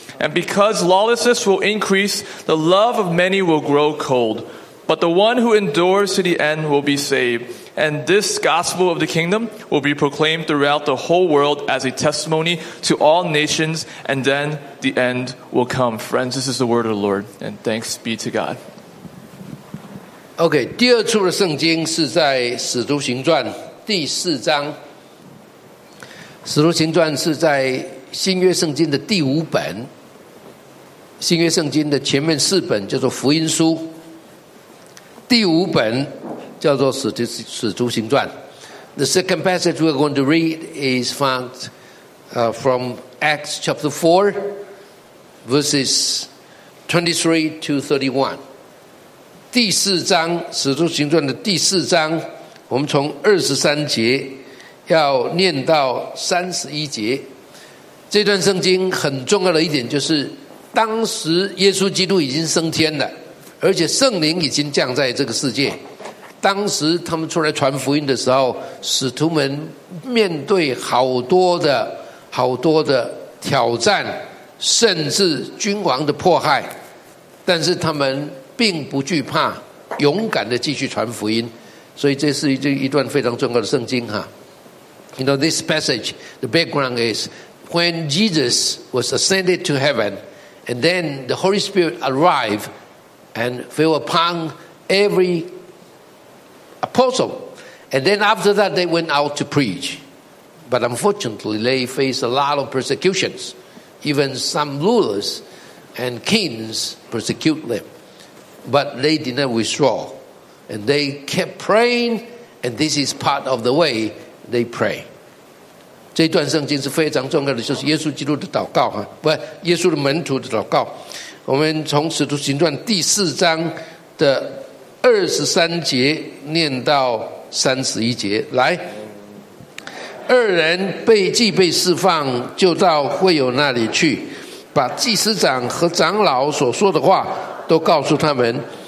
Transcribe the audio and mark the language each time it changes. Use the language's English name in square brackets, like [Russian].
[English] And because lawlessness will increase, the love of many will grow cold. But the one who endures to the end will be saved. And this gospel of the kingdom will be proclaimed throughout the whole world as a testimony to all nations. And then the end will come." Friends, this is the word of the Lord. And thanks be to God. [Chinese] OK, 第二处的圣经是在《使徒行传》第四章。 《使徒行传》是在新约圣经的第五本，新约圣经的前面四本叫做福音书，第五本叫做《使徒行传》。 [English] The second passage we're going to read is found from Acts chapter 4, verses 23 to 31. [Chinese] 第四章《使徒行传》的第四章，我们从二十三节要念到三十一节。这段圣经很重要的一点就是，当时耶稣基督已经升天了，而且圣灵已经降在这个世界。当时他们出来传福音的时候，使徒们面对好多的挑战，甚至君王的迫害，但是他们并不惧怕，勇敢地继续传福音。所以这是一段非常重要的圣经哈。 [English] You know, this passage, the background is, when Jesus was ascended to heaven, and then the Holy Spirit arrived and fell upon every apostle. And then after that, they went out to preach. But unfortunately, they faced a lot of persecutions. Even some rulers and kings persecute them. But they did not withdraw, and they kept praying, and this is part of the way they pray. [Chinese] 这段圣经是非常重要的，就是耶稣基督的祷告，不，耶稣的门徒的祷告。我们从《使徒行传》第四章的二十三节念到三十一节，来，二人既被释放，就到会友那里去，把祭司长和长老所说的话都告诉他们，